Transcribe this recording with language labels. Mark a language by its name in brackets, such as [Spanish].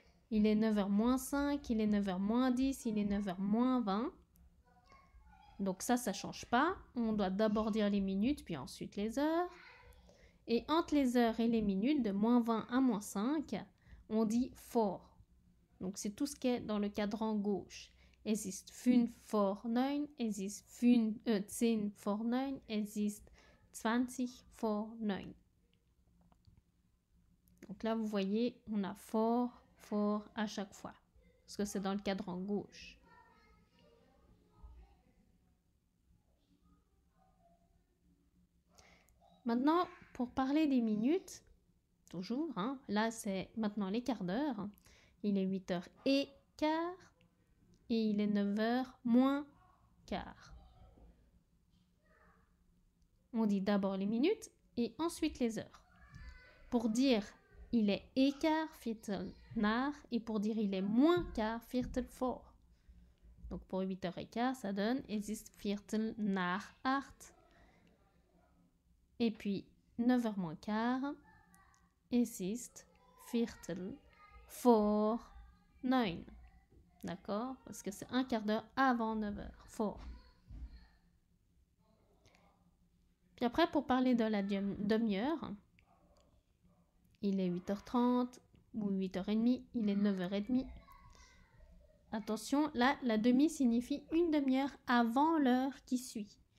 [French] Il est 9h moins 5, il est 9h moins 10, il est 9h moins 20. Donc ça, ça ne change pas. On doit d'abord dire les minutes, puis ensuite les heures. Et entre les heures et les minutes, de moins 20 à moins 5, on dit vor. Donc c'est tout ce qui est dans le cadran gauche. [German] Es ist 5 vor 9, es ist 10 vor 9, es ist 20 vor 9. [French] Donc là, vous voyez, on a vor. Fort à chaque fois, parce que c'est dans le cadran gauche. Maintenant, pour parler des minutes, toujours, hein, là c'est maintenant les quarts d'heure. Il est 8h et quart et il est 9h moins quart. On dit d'abord les minutes et ensuite les heures. Pour dire il est écart, [German] viertel nach, [French] et pour dire il est moins quart, [German] viertel vor. [French] Donc pour 8h et quart, ça donne [German] es ist viertel nach 8. [French] Et puis 9h moins quart, [German] es ist viertel vor 9. [French] D'accord? Parce que c'est un quart d'heure avant 9h, vor. Puis après, pour parler de la demi-heure, il est 8h30 ou 8h30, il est 9h30. Attention, là, la demi signifie une demi-heure avant l'heure qui suit.